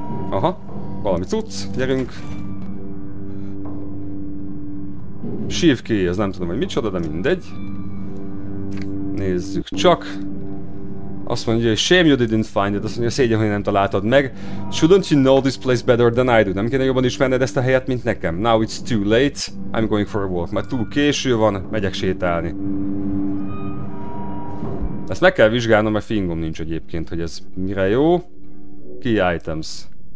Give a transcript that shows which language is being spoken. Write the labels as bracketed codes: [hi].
[hu] Aha, valami cucc, gyerünk. Shiv key, ez nem tudom, hogy micsoda, de mindegy. Nézzük csak. Azt mondja, hogy [en] shame you didn't find it. [hu] Azt mondja, szégyen, hogy nem találtad meg. [en] Shouldn't you know this place better than I do? [hu] Nem kéne jobban ismerned ezt a helyet, mint nekem. [en] Now it's too late. I'm going for a walk. [hu] Már túl késő van, megyek sétálni. Ezt meg kell vizsgálnom, mert fingom nincs egyébként, hogy ez mire jó. Key items.